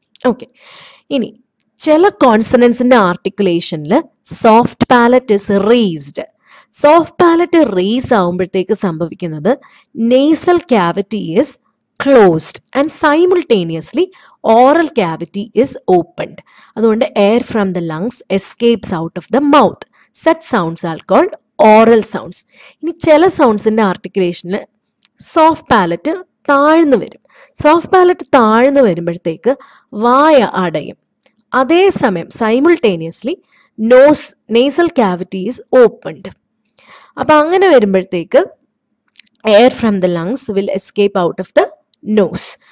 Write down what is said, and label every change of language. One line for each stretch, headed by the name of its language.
Malayalam: Okay, ഇനി ചില കോൺസണൻസിൻ്റെ ആർട്ടിക്കുലേഷനിൽ
English: Soft palate is raised.
Malayalam: Soft palette raise ആകുമ്പോഴത്തേക്ക് സംഭവിക്കുന്നത്
English: Nasal cavity is closed and simultaneously oral cavity is opened. അതുകൊണ്ട് air from the lungs escapes out of the mouth. Such sounds are called oral sounds.
Malayalam: ഇനി ചില സൗണ്ട്സിൻ്റെ ആർട്ടിക്കുലേഷന് soft palette താഴ്ന്നു വരും. Soft palette താഴ്ന്നു വരുമ്പോഴത്തേക്ക് വായ അടയും.
English: അതേസമയം simultaneously nose nasal cavity is opened.
Malayalam: അപ്പം അങ്ങനെ വരുമ്പോഴത്തേക്ക്
English: Air from the lungs will escape out of the nose.